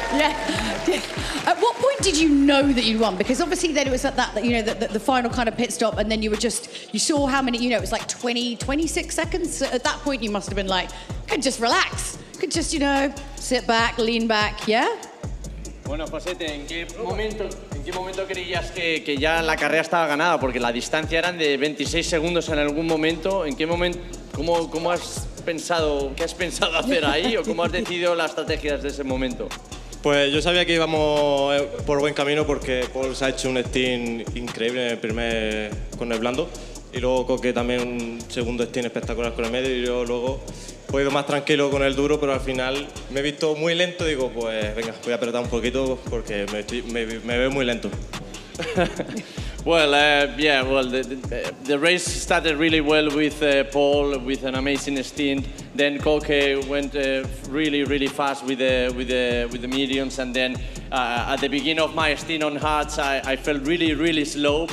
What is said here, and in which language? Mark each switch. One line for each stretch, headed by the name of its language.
English: Yeah. At what point did you know that you'd won? Because obviously then it was at that you know, the final kind of pit stop, and then you were just, you saw how many, you know, it was like 20, 26 seconds. So at that point, you must have been like, I can just relax. Could just, you know, sit back, lean back, yeah?
Spanish: Bueno, José, ¿en qué momento creías que ya la carrera estaba ganada? Porque la distancia eran de 26 segundos en algún momento. ¿En qué momento? ¿Qué has pensado hacer ahí? ¿O cómo has decidido las estrategias de ese momento? Pues yo sabía que íbamos por buen camino porque Paul se ha hecho un stint increíble en el primer con el blando. Y luego Coque también un segundo stint espectacular con el medio. Y yo luego he ido más tranquilo con el duro, pero al final me he visto muy lento. Digo, pues venga, voy a apretar un poquito porque me veo muy lento.
English: Well, the race started really well with Paul, with an amazing stint. Then Coque went really, really fast with the mediums, and then at the beginning of my stint on hards, I felt really, really slow.